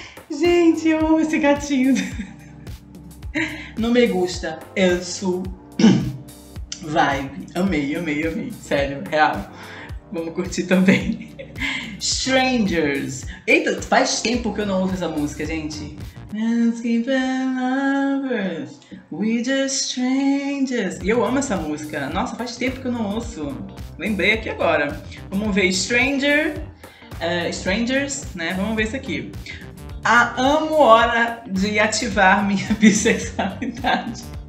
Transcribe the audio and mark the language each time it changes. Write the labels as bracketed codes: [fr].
[pt] Gente, eu amo esse gatinho. Não [es] me gusta. [pt] Eu sou vibe. Amei, amei, amei. Sério, real. Vamos curtir também. Strangers. Eita, faz tempo que eu não ouço essa música, gente. [en] Asking for lovers, we just strangers. [pt] E eu amo essa música. Nossa, faz tempo que eu não ouço. Lembrei aqui agora. Vamos ver Stranger, Strangers, né? Vamos ver isso aqui. Ah, amo hora de ativar minha bissexualidade.